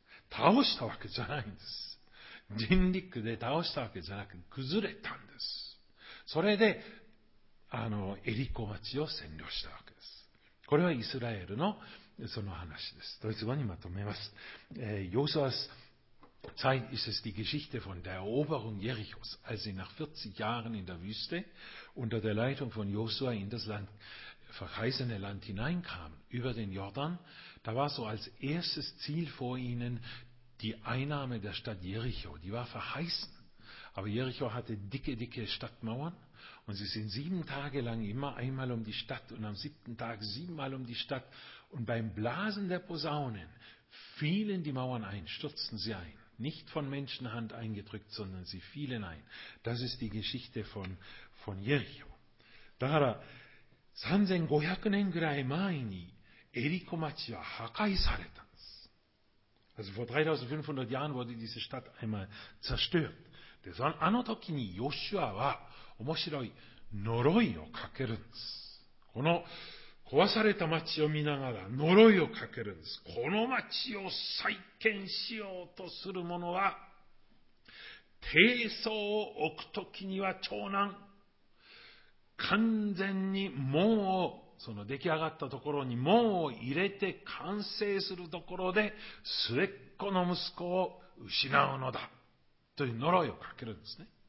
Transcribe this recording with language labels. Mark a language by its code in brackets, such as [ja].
[ja] 倒したわけじゃないんです。人力で倒したわけじゃなく崩れたんです。それでエリコ町を占領したわけです。これはイスラエルのその話です。ドイツ語にまとめます。 [de] Josuas Zeit ist es die Geschichte von der Eroberung Jerichos, als sie nach 40 Jahren in der Wüste unter der Leitung von Josua in das Land, verheißene Land hineinkamen, über den Jordan. Da war so als erstes Ziel vor ihnen die Einnahme der Stadt Jericho, die war verheißen. Aber Jericho hatte dicke, dicke Stadtmauern und sie sind 7 Tage lang immer einmal um die Stadt und am 7. Tag 7-mal um die Stadt und beim Blasen der Posaunen fielen die Mauern ein, stürzten sie ein. Nicht von Menschenhand eingedrückt, sondern sie fielen ein. Das ist die Geschichte von Jericho. [ja] だから3500年ぐらい前にエリコ町は破壊された。 [de] Also vor 3500 Jahren wurde diese Stadt einmal zerstört. [ja] あの時にヨシュアは面白い呪いをかけるんです。この壊された町を見ながら呪いをかけるんです。この町を再建しようとする者は、低層を置く時には長男、完全に門をその出来上がったところに門を入れて完成するところで末っ子の息子を失うのだという呪いをかけるんですね。